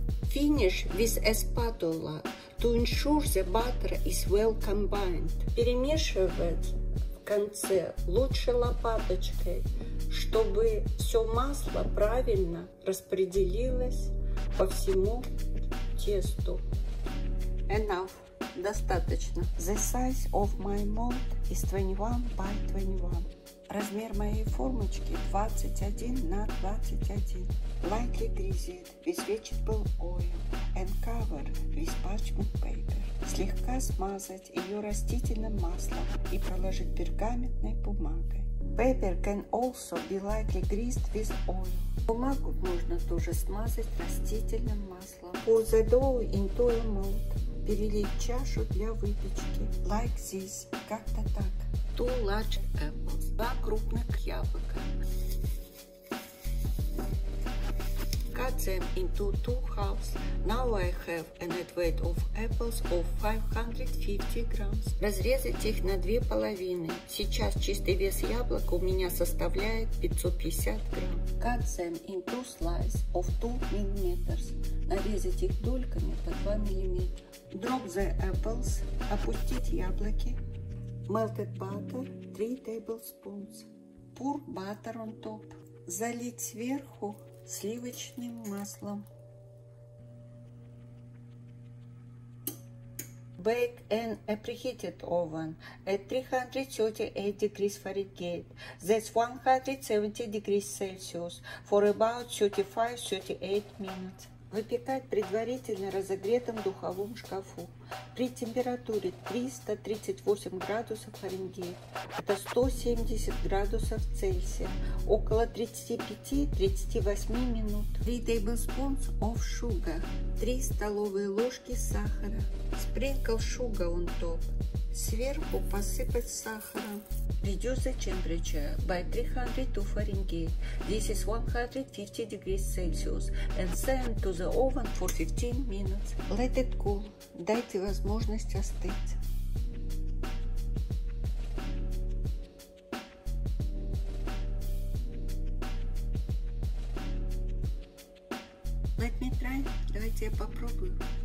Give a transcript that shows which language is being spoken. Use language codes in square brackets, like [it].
[en] Finish with a spatula to ensure the butter is well combined. [ru] Перемешивать в конце лучше лопаточкой, чтобы все масло правильно распределилось по всему тесту. [en] Enough. [ru] Достаточно. [en] The size of my mold is 21 by 21. [ru] Размер моей формочки 21 на 21. [en] Lightly grease it with vegetable oil and cover with parchment paper. [ru] Слегка смазать ее растительным маслом и проложить пергаментной бумагой. [en] Paper can also be lightly greased with oil. [ru] Бумагу можно тоже смазать растительным маслом. [en] Pour the dough into a mold. [ru] Перелить чашу для выпечки. [en] Like this. [ru] Как-то так. [en] 2 large apples. [ru] 2 крупных яблока. [en] Cut them into 2 halves. Now I have a net weight of apples of 550 grams. [ru] Разрезать их на 2 половины. Сейчас чистый вес яблок у меня составляет 550 грамм. [en] Cut them into slices of 2 millimeters. [ru] Нарезать их дольками по 2 миллиметра. [en] Drop the apples. [ru] Опустить яблоки. [en] Melted butter 3 tablespoons. Pour butter on top. [ru] Залить сверху сливочным маслом. [en] Bake in a preheated oven at 338 degrees Fahrenheit. That's 170 degrees Celsius for about 35-38 minutes. [ru] Выпекать предварительно разогретом духовом шкафу при температуре 338 градусов Фаренгейт. Это 170 градусов Цельсия. Около 35-38 минут. [en] 3 tablespoons of sugar. [ru] 3 столовые ложки сахара. [en] Sprinkle sugar on top. [ru] Сверху посыпать сахаром. [en] Reduce the temperature by 300 to Fahrenheit. This is 150 degrees Celsius. And send to the oven for 15 minutes. Let it cool. [ru] Дайте возможность остыть. [en] Let me try. [ru] Давайте я попробую.